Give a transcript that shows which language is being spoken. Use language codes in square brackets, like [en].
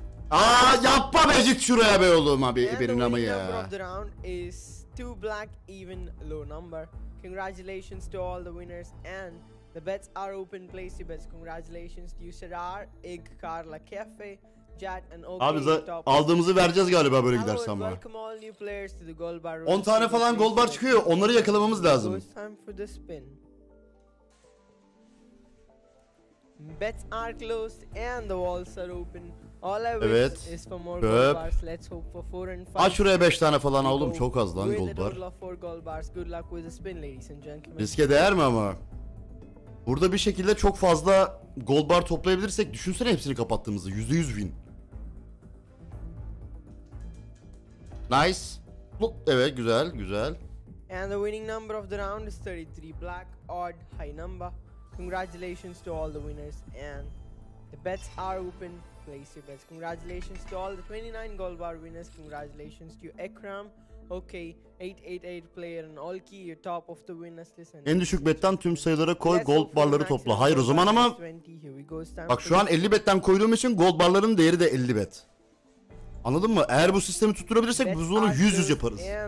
[tr] Aa yapma be, git şuraya be oğlum abi benim ama ya. [en] The round is 2 black even low number. Congratulations to all the winners and the bets are open, place your bets. Congratulations to Serar, Ig, Carla, Cafe, Jet and OK. [tr] Abi aldığımızı vereceğiz galiba böyle gidersem var. [en] Welcome all new players to the gold bar. [tr] 10 tane falan gold bar çıkıyor. Onları yakalamamız lazım. [en] Time for the spin. Bets are closed and the walls are open. All I wish [tr] evet. [en] Is for more gold bars. Let's hope for 4 and 5. [tr] Aç şuraya 5 tane falan oğlum, çok az lan gold bar. [en] Good luck with the spin ladies and gentlemen. [tr] Riske değer mi ama? Burada bir şekilde çok fazla gold bar toplayabilirsek, düşünsene hepsini kapattığımızı, %100 win. [en] Nice. [tr] Evet güzel güzel. [en] And the winning number of the round is 33, black odd high number. Congratulations to all the winners and the bets are open. Place your bets. Congratulations to all the 29 gold bar winners. Congratulations to you, Ekram. Okay, 888 player and Olki, your top of the winners list. [tr] En düşük betten tüm sayılara koy, [en] yes, [tr] gold barları topla. Hayır o zaman ama 20, go, bak şu an 50 betten koyduğum için gold barların değeri de 50 bet. Anladın mı? Eğer bu sistemi tutturabilirsek biz onu 100-100 yaparız.